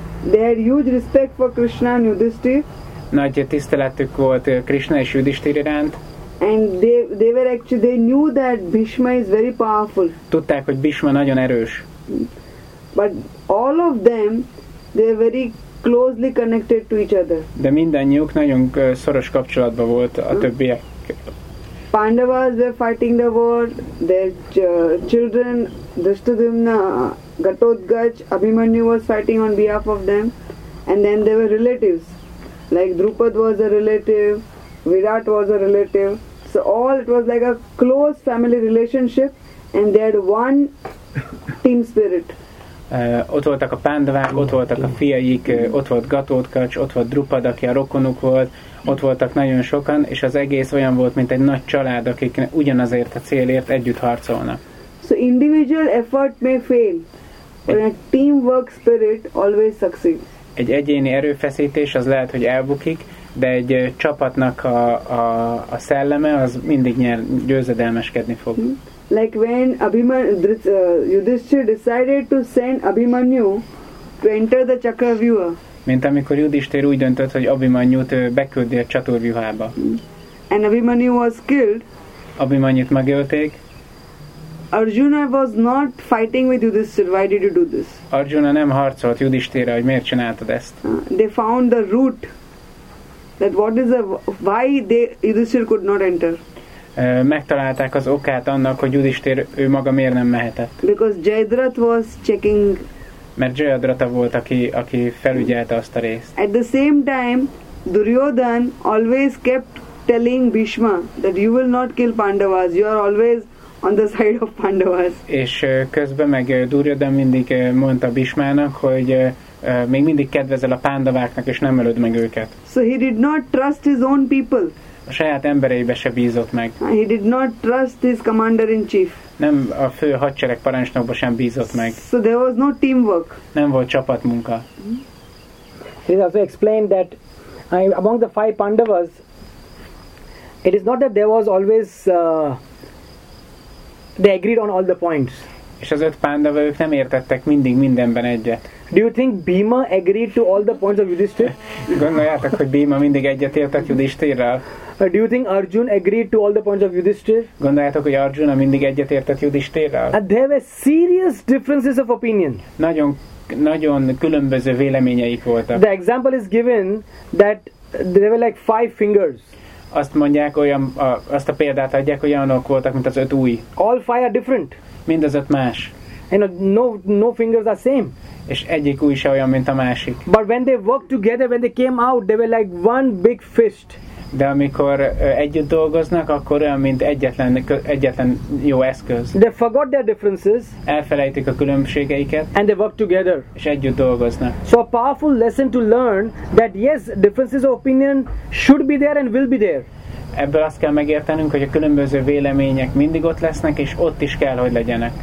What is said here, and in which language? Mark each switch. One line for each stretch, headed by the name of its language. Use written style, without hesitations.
English: They had huge respect for Krishna and Yudhisthira.
Hungarian: Nagy tiszteletük volt Krishna és Yudhisthira iránt.
English: And they were actually they knew that Bhishma is very powerful.
Hungarian: Tudták, hogy Bhishma nagyon erős.
English: But all of them they were very closely connected to each other.
Hungarian: De mindannyiuk nagyon szoros kapcsolatban volt a többiek.
English: Pandavas were fighting the war, their children, Dhrishtadyumna, Ghatotkach, Abhimanyu was fighting on behalf of them, and then there were relatives. Like Drupad was a relative, Virat was a relative. So all it was like a close family relationship, and they had one team spirit.
Hungarian: Ott voltak a Pandavák, ott voltak a fiaik, ott volt Gatotkach, ott volt Drupad, aki a rokonuk volt, ott voltak nagyon sokan, és az egész olyan volt, mint egy nagy család, akik ugyanazért a célért együtt harcolnak.
English: So individual effort may fail, but a teamwork spirit always succeeds.
Hungarian: Egy egyéni erőfeszítés az lehet, hogy elbukik, de egy csapatnak a szelleme az mindig győzedelmeskedni fog.
English: Like when Yudhishthir decided to send Abhimanyu to enter the Chakravyuha.
Hungarian: Mint amikor Yudhishthir úgy döntött, hogy Abhimanyut beküldi a Chaturvyuhába.
English: And Abhimanyu was killed.
Hungarian: Abhimanyut megölték.
English: Arjuna was not fighting with Yudhishthir. Why did you do this?
Hungarian: Arjuna nem harcolt Yudhishthirrel, hogy miért csináltad ezt.
English: They found the root. That what is the why they Yudhishthir could not enter.
Hungarian: Megtalálták az okát annak, hogy Yudhishthir ő maga miért nem mehetett.
English: Because Jayadrath was checking.
Hungarian: Mert Jayadratha volt, aki felügyelte azt a részt.
English: At the same time, Duryodhan always kept telling Bhishma that you will not kill Pandavas. You are always on the side of Pandavas.
Hungarian: És közben meg Duryodhan mindig mondta Bhishmának, hogy még mindig kedvezel a Pandaváknak, és nem ölöd meg őket.
English: So he did not trust his own people.
Hungarian: A saját embereibe se bízott meg.
English: He did not trust his commander in chief.
Hungarian: Nem a fő hadsereg parancsnokba sem bízott meg.
English: So there was no teamwork.
Hungarian: Nem volt csapatmunka.
English: It is also explained that among the five Pandavas, it is not that there was always they agreed on all the points.
Hungarian: És az öt Pandava, ők nem értettek mindig mindenben egyet.
English: Do you think Bhima agreed to all the points of Yudhishthir?
Hungarian: Gondoljátok, hogy Bhima mindig egyet értett Yudhishthirrel.
English: Do you think Arjun agreed to all the points of Yudhishthir?
Hungarian: Gondoljátok, hogy Arjuna mindig egyet értett Yudhishthirrel.
English: There were serious differences of opinion.
Hungarian: Nagyon, nagyon különböző véleményeik voltak.
English: The example is given that there were like five fingers.
Hungarian: Azt mondják, olyan, azt a példát adják, hogy olyanok voltak, mint az öt új.
English: All five are different.
Hungarian: Mind az öt más.
English: And no fingers are same.
Hungarian: És egyik új se olyan, mint a másik.
English: But when they worked together, when they came out, they were like one big fist.
Hungarian: De amikor együtt dolgoznak, akkor olyan, mint egyetlen jó eszköz.
English: They forgot their differences.
Hungarian: Elfelejtik a különbségeiket.
English: And they work together.
Hungarian: És együtt dolgoznak.
English: So a powerful lesson to learn that yes, differences of opinion should be there and will be there.
Hungarian: Ebből azt kell megértenünk, hogy a különböző vélemények mindig ott lesznek, és ott is kell, hogy legyenek.